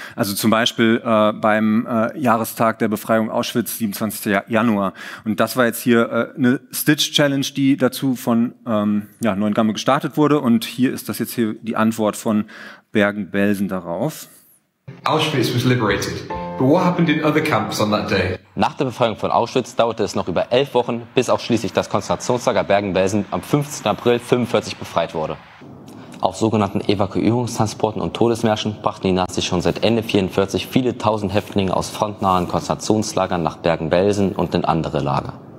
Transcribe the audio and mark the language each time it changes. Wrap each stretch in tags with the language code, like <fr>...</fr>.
<de>Also zum Beispiel beim Jahrestag der Befreiung Auschwitz, 27. Januar. Und das war jetzt hier eine Stitch-Challenge, die dazu von ja, Neuen Gamme gestartet wurde. Und hier ist das jetzt hier die Antwort von Bergen-Belsen darauf.</de> <en>Auschwitz was liberated. But what happened in other camps on that day?</en> <de>Nach der Befreiung von Auschwitz dauerte es noch über 11 Wochen, bis auch schließlich das Konzentrationslager Bergen-Belsen am 15. April 1945 befreit wurde. Auf sogenannten Evakuierungstransporten und Todesmärschen brachten die Nazis schon seit Ende 1944 viele tausend Häftlinge aus frontnahen Konzentrationslagern nach Bergen-Belsen und in andere Lager.</de>